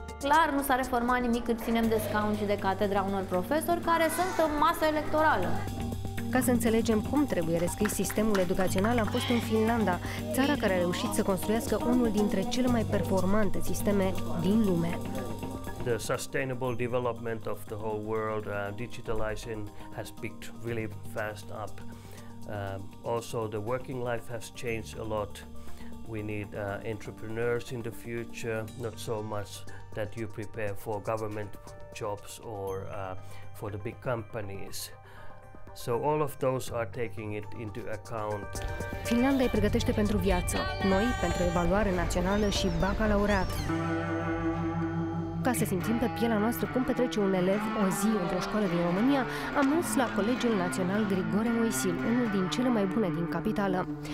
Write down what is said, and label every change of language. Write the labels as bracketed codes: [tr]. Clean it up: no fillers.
[ro] Clar, nu s-a reformat nimic cât ținem de scaun și de catedra unor profesori care sunt în masă electorală. Ca să înțelegem cum trebuie rescris sistemul educațional, am fost în Finlanda, țara care a reușit să construiască unul dintre cele mai performante sisteme din lume. [en] The sustainable development of the whole world, digitalizing has picked really fast up. Also, the working life has changed a lot. We need entrepreneurs in the future, not so much that you prepare for government jobs or for the big companies. So all of those are taking it into account. [ro] Finlanda îi pregătește pentru viață, noi pentru evaluare națională și bacalaureat. Ca să simțim pe pielea noastră cum petrece un elev o zi într-o școală din România, am mers la Colegiul Național Grigore Moisil, unul din cele mai bune din capitală.